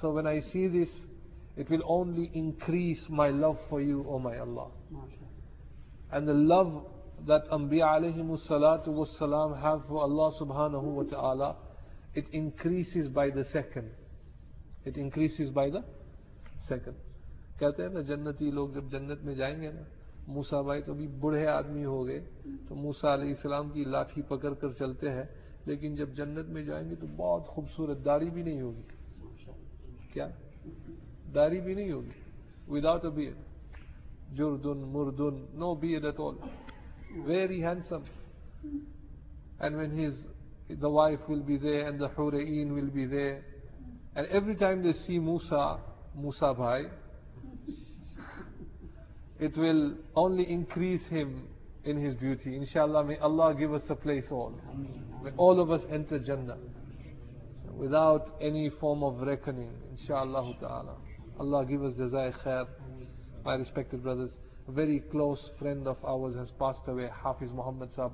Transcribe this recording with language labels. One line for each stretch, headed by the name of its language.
English: So when I see this, it will only increase my love for you, O my Allah. And the love that Anbiya alayhimu salatu wassalam have for Allah subhanahu wa ta'ala, it increases by the second. It increases by the second.
Urdu: کہتے ہیں نا جنتی لوگ جب جنت میں جائیں گے نا موسیٰ بھائی تو بھی بڑھے آدمی ہو گئے تو موسیٰ علیہ السلام کی لاٹھی پکڑ کر چلتے ہیں لیکن جب جنت میں جائیں گے تو بہت خوبصورت داڑھی بھی نہیں ہوگی کیا داڑھی بھی نہیں ہوگی
English: without a beard جردن مردن no beard at all very handsome and when the wife will be there and the حورئین will be there and every time they see Musa بھائی it will only increase him in his beauty. Inshallah, may Allah give us a place all. May all of us enter Jannah without any form of reckoning. Inshallah ta'ala. Allah give us jazai khair. My respected brothers, a very close friend of ours has passed away, Hafiz Muhammad Sahib.